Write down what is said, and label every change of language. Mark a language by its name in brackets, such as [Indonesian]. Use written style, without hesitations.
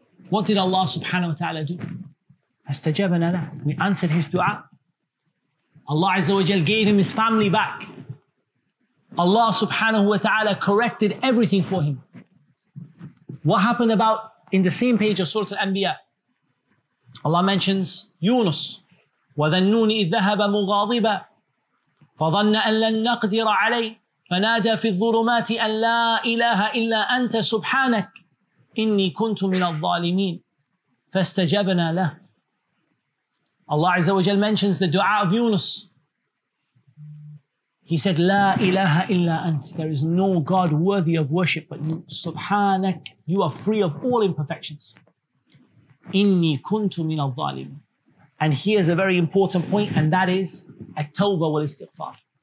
[English] What did Allah subhanahu wa ta'ala do? [Arabic] أَسْتَجَبَنَا لَهُ [English] We answered his dua. Allah Azza wa Jal gave him his family back. Allah subhanahu wa ta'ala corrected everything for him. What happened about in the same page of Surah Al-Anbiya? Allah mentions Yunus. [Arabic] وَذَنُّونِ إِذْ ذَهَبَ مُغَاضِبًا فَظَنَّ أَن لَن نَقْدِرَ عَلَيْهِ فَنَادَى فِي الظُّلُمَاتِ أَن لَا إِلَهَ إِلَّا أَنْتَ سُبْحَانَكَ إِنِّي كُنْتُ مِنَ الظَّالِمِينَ فَاسْتَجَبْنَا لَهُ [English] Allah Azza wa Jal mentions the dua of Yunus. He said, [Arabic] La ilaha illa ant. [English] There is no God worthy of worship but you. [Arabic] Subhanak, [English] you are free of all imperfections. [Arabic] Inni kuntu min al-zalim. [English] And here's a very important point, and that is [Arabic] at-tawbah wal istighfar.